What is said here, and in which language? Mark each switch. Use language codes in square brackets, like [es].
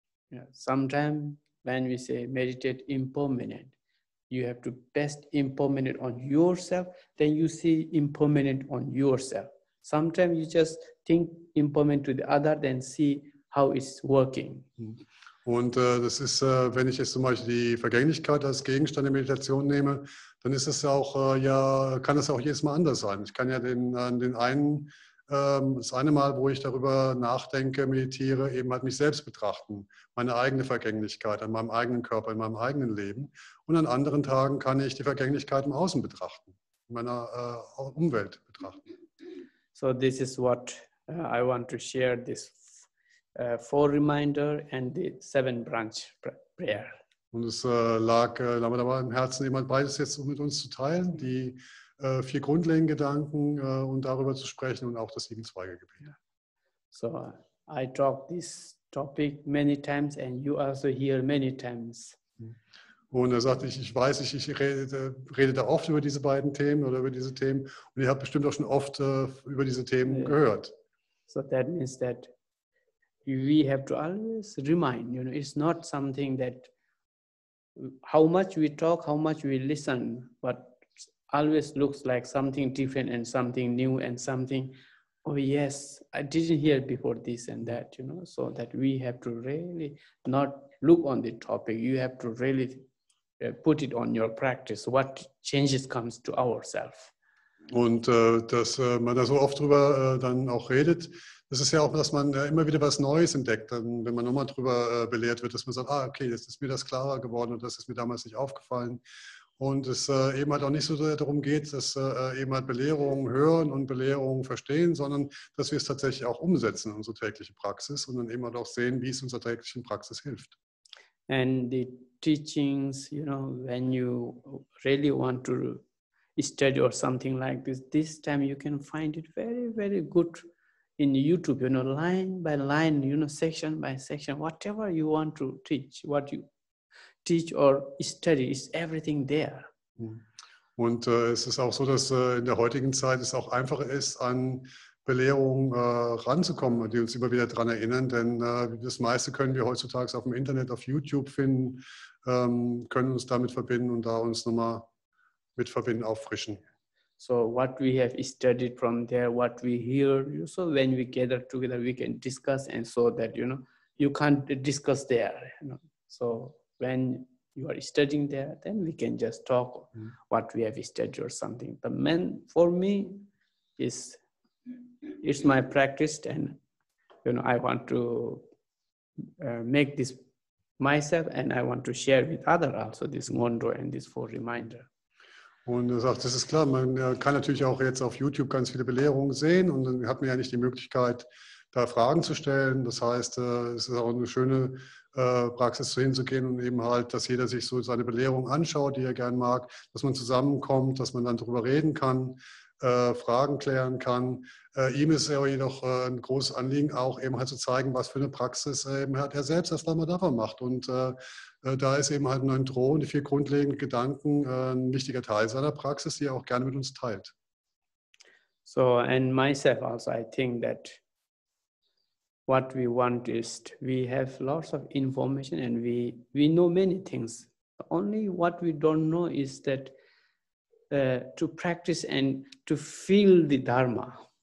[en] Yeah. Sometimes when we say meditate impermanent, you have to best impermanent on yourself, then you see impermanent on yourself. Sometimes you just think impermanent to the other, then see how it's working. [de] Und das ist, wenn ich jetzt zum Beispiel die Vergänglichkeit als Gegenstand der Meditation nehme, dann ist es auch, ja, kann das auch jedes Mal anders sein. Ich kann ja das eine Mal, wo ich darüber nachdenke, meditiere, eben halt mich selbst betrachten, meine eigene Vergänglichkeit an meinem eigenen Körper, in meinem eigenen Leben. Und an anderen Tagen kann ich die Vergänglichkeit im Außen betrachten, in meiner Umwelt betrachten. [en] So this is what I want to share this 4 reminder and the 7 branch prayer. [de] Und es lag da im Herzen, jemand beides jetzt mit uns zu teilen, die 4 grundlegenden Gedanken und darüber zu sprechen und auch das 7 Zweige-Gebet. [en] So, I talk this topic many times and you also hear many times. [de] Und er sagte, ich rede da oft über diese beiden Themen oder über diese Themen und ihr habt bestimmt auch schon oft über diese Themen gehört. [en] So, that means that we have to always remind, you know, it's not something that how much we talk, how much we listen, but always looks like something different and something new and something, oh yes, I didn't hear before this and that, you know, so that we have to really not look on the topic. You have to really put it on your practice. What changes comes to ourselves. [de] Und dass man da so oft drüber dann auch redet, das ist ja auch, dass man immer wieder was Neues entdeckt, dann, wenn man nochmal drüber belehrt wird, dass man sagt, ah, okay, jetzt ist mir das klarer geworden und das ist mir damals nicht aufgefallen. Und es eben halt auch nicht so sehr darum geht, dass eben halt Belehrungen hören und Belehrungen verstehen, sondern dass wir es tatsächlich auch umsetzen in unsere tägliche Praxis und dann eben halt auch sehen, wie es unserer täglichen Praxis hilft. [en] And the teachings, you know, when you really want to study or something like this, this time you can find it very, very good in YouTube, you know, line by line, you know, section by section, whatever you want to teach, what you teach or study, is everything there. [de] Und es ist auch so, dass in der heutigen Zeit es auch einfacher ist, an Belehrungen ranzukommen, die uns immer wieder daran erinnern, denn das meiste können wir heutzutage auf dem Internet, auf YouTube finden, können uns damit verbinden und da uns nochmal mit verbinden, auffrischen. [en] So what we have studied from there, what we hear, so when we gather together, we can discuss and so that, you know, you can't discuss there. You know? So when you are studying there, then we can just talk what we have studied or something. The main for me is it's my practice and, you know, I want to make this myself and I want to share with other also this Ngöndro and this four reminder. [de] Und er sagt, das ist klar, man kann natürlich auch jetzt auf YouTube ganz viele Belehrungen sehen und dann hat man ja nicht die Möglichkeit, da Fragen zu stellen. Das heißt, es ist auch eine schöne Praxis, so hinzugehen und eben halt, dass jeder sich so seine Belehrung anschaut, die er gern mag, dass man zusammenkommt, dass man dann darüber reden kann, Fragen klären kann. Ihm ist ja jedoch ein großes Anliegen, auch eben halt zu zeigen, was für eine Praxis eben hat er selbst als Lama Dawa macht. Und da ist eben halt Ngöndro und die vier grundlegenden Gedanken ein wichtiger Teil seiner Praxis, die er auch gerne mit uns teilt. [en] So, and myself also, I think that what we want is, we have lots of information and we know many things. Only what we don't know is that to practice and to feel the Dharma.